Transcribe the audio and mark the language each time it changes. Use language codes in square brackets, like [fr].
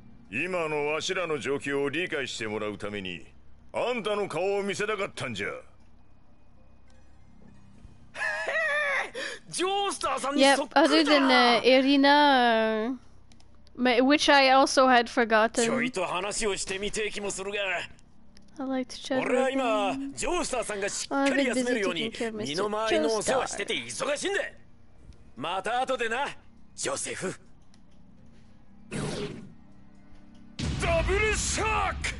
[ja] 今のわしらの状況を理解してもらうために、あんたの顔を見せたかったんじゃ。ジョースターさんにそっくりだ。 [en] Yep, other than, Irina, which I also had forgotten. [ja] ちょいと話をしてみて気もするが。 [en] I'd like to chat with him. [ja] 俺は今、ジョースターさんがしっかり休めるように身の回りのお世話してて忙しいんだ。また後でな、ジョセフ。ダブルシャーク。